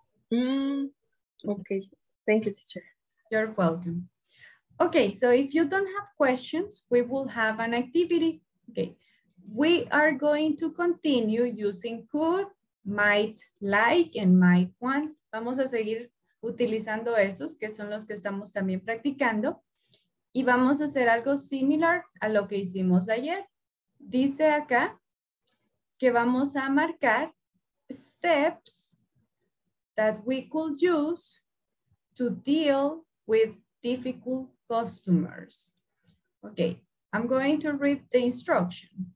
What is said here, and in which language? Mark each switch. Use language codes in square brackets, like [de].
[en] Okay, thank you, teacher. You're welcome. Okay, so if you don't have questions, we will have an activity. Okay, we are going to continue using could, might, like, and might want. [es] Vamos a seguir utilizando esos, que son los que estamos también practicando. Y vamos a hacer algo similar a lo que hicimos ayer. Dice acá que vamos a marcar [en] steps that we could use to deal with difficult customers. Okay, I'm going to read the instruction.